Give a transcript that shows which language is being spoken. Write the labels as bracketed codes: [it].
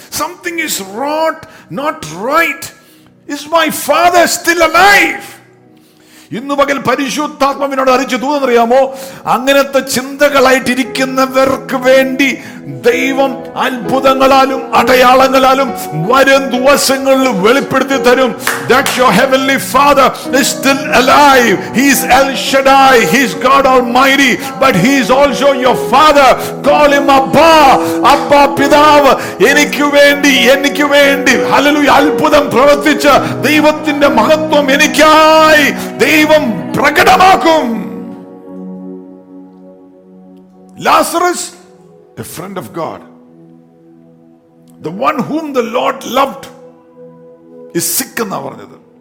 [en] Something is rot not right. Is my father still alive? [ml] ഇന്ന് പകൽ പരിശുദ്ധാത്മാവിനോട് അറിയിച്ചു തോന്നറിയാമോ, അങ്ങനത്തെ ചിന്തകളായിട്ടിരിക്കുന്നവർക്ക് വേണ്ടി ദൈവം അത്ഭുതങ്ങളാലും അടയാളങ്ങളാലും വരും ദിവസങ്ങളിൽ വെളിപ്പെടുത്തി തരും. [en] That your heavenly father is still alive. He is El Shaddai, he is God Almighty, but he is also your father. Call him Abba. [ml] Abba പിതാവ്, എനിക്ക് വേണ്ടി ഹല്ലേലൂയ അത്ഭുതം പ്രവർത്തിച്ച ദൈവത്തിന്റെ മഹത്വം എനിക്കായി ദൈവം പ്രകടമാക്കും. [en] Lazarus, a friend of God, the one whom the Lord loved, is sick [ml] എന്നാ പറഞ്ഞത്.